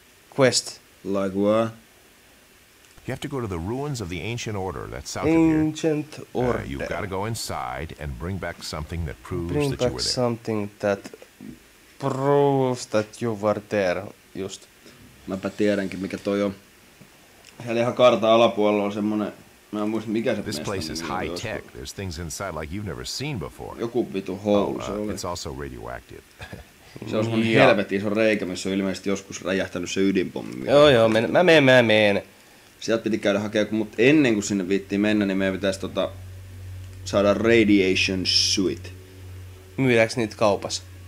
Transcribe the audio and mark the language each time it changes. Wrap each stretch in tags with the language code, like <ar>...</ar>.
<en>Quest? Like what? You have to go to the ruins of the Ancient Order. That's south ancient of here. Ancient Order. You've got to go inside and bring back something that proves bring that you were there. Bring back something that... proves that you were there, just.</en> <fi>Mäpä tiedänkin, mikä toi on. Eli ihan kartan alapuolella on semmonen, mä en muista, mikä se</fi> <en>this place is high tech. There's things inside like you've never seen before.</en> <fi>Joku vitu hole se oli.</fi> <en>It's also radioactive.</en> <fi>Se on semmonen helvetin iso reikä, missä on ilmeisesti joskus räjähtänyt se ydinpommi. Joo joo, mä meen. Sieltä piti käydä hakea, mutta ennen kuin sinne viittiin mennä, niin meidän pitäisi saada radiation suit. Myydäänkö niitä kaupassa?</fi>